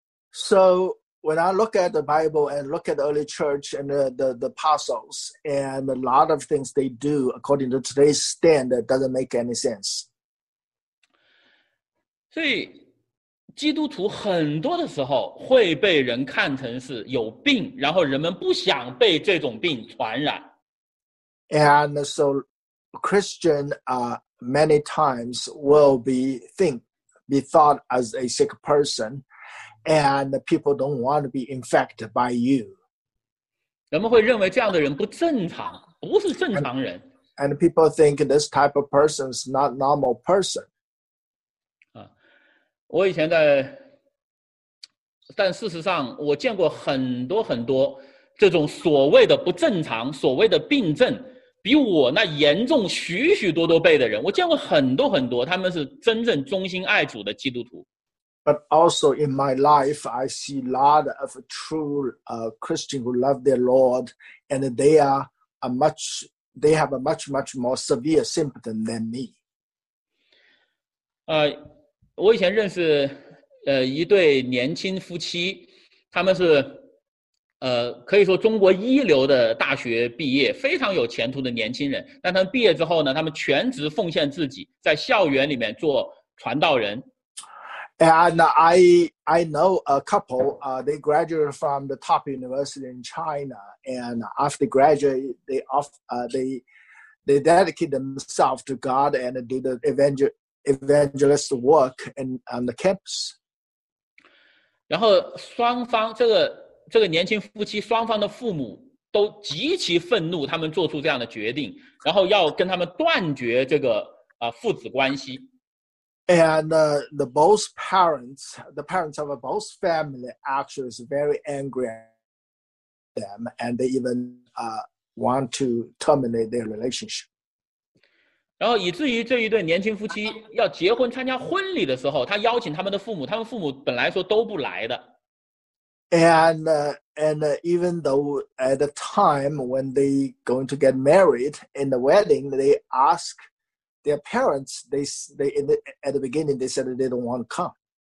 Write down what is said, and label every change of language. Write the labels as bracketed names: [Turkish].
[English] So when I look at the Bible and look at the early church and the apostles and a lot of things they do according to today's standard doesn't make any sense。 [Chinese] 所以基督徒很多的时候会被人看成是有病，然后人们不想被这种病传染。 [English] And so Christian, many times will be thought as a sick person, and people don't want to be infected by you. [Chinese] 人们会认为这样的人不正常，不是正常人。 [English] And people think this type of person is not normal person. [Chinese] 我以前在，但事实上我见过很多很多这种所谓的不正常，所谓的病症比我那严重许许多多倍的人，我见过很多很多，他们是真正忠心爱主的基督徒。 [English] But also in my life I see a lot of true Christians who love their Lord, and they have a much much more severe symptom than me. [Chinese] 我以前认识一对年轻夫妻，他们是可以说中国一流的大学毕业，非常有前途的年轻人。但他们毕业之后呢，他们全职奉献自己，在校园里面做传道人。 [English] And I know a couple, they graduated from the top university in China, and after graduate, they dedicate themselves to God and do the evangelist work on the campus. [Chinese] 然后双方这个年轻夫妻双方的父母都极其愤怒，他们做出这样的决定，然后要跟他们断绝这个父子关系。 [English] And the both parents, the parents of both family actually is very angry at them, and they even want to terminate their relationship. [Chinese] 然后以至于这一对年轻夫妻要结婚参加婚礼的时候，他邀请他们的父母，他们父母本来说都不来的。 [English] And even though at the time when they going to get married in the wedding, they ask their parents, at the beginning they said they don't want to come.